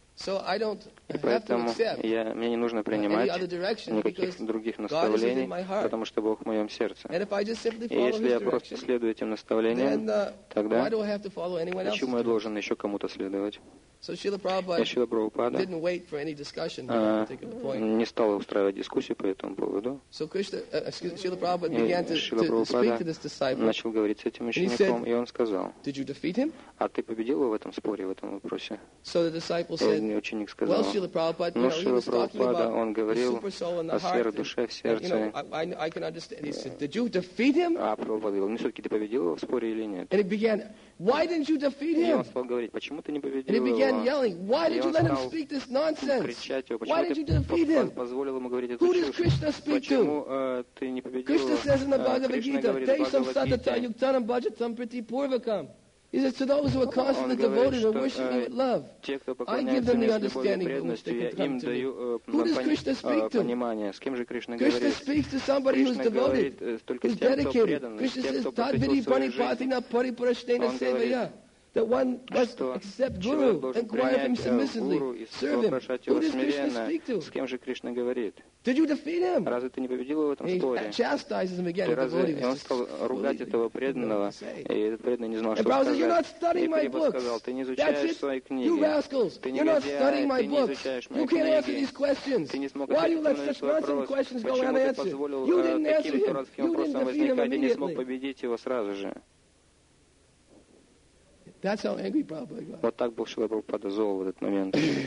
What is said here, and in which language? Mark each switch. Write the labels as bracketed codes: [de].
[ru] И поэтому мне не нужно принимать никаких других наставлений, потому что Бог в моем сердце. И если я просто следую этим наставлениям, тогда почему я должен еще кому-то следовать? [en] So Srila Prabhupada didn't wait for any discussion on that particular point. [ru] Не стал устраивать дискуссию по этому поводу. [en] So Srila Prabhupada began to speak to this disciple. [ru] Начал говорить с этим учеником, и он сказал: [en] "Did you defeat him?" [ru] А ты победил его в этом споре, в этом вопросе? [en] So the disciple said. [ru] И ученик сказал: [en] "Well, Srila Prabhupada, you know, he was talking about the super soul in the heart. [ru] О сфере души в сердце. [en] You know, I can understand." He said, "Did you defeat him?" [ru] А Прабхупада говорил: "Не все-таки ты победил его в споре или нет?" [en] And he began. Why didn't you defeat him? [ru] И он стал говорить, почему ты не победил его? [en] And he began yelling, why did you let him speak this nonsense? Why did you defeat him? Who does Krishna speak to? Krishna says in the Bhagavad Gita, [sa] Desham Satatayuktanam Bhajatam Priti Purvakam. [en] He says, to those who are constantly devoted and worshiping with love, I give them the understanding from which they can come to me. Who does Krishna speak to? Krishna speaks to somebody who's devoted, who's dedicated. Krishna says, [sa] Tadvidi Pani Pathina Pari Purashtena Sevaya. [en] That one must accept Guru, inquire of him submissively, serve him. Who does Krishna speak to? Did you defeat him? [ru] Разве ты не победил его в этом споре? [en] He chastises him again. [ru] И он стал ругать этого преданного, и этот преданный не знал, что сказать. [en] You're not studying my books. [ru] Ты не изучаешь свои книги. [en] You rascals. You're not studying my books. You can't answer these questions. Why do you let such nonsense questions go unanswered? You didn't answer him. You didn't defeat him immediately. [ru] Ты не смог победить его сразу же. [en] That's how angry Prabhupada got. [ru] Вот так был Шрила Прабхупада зол в этот момент.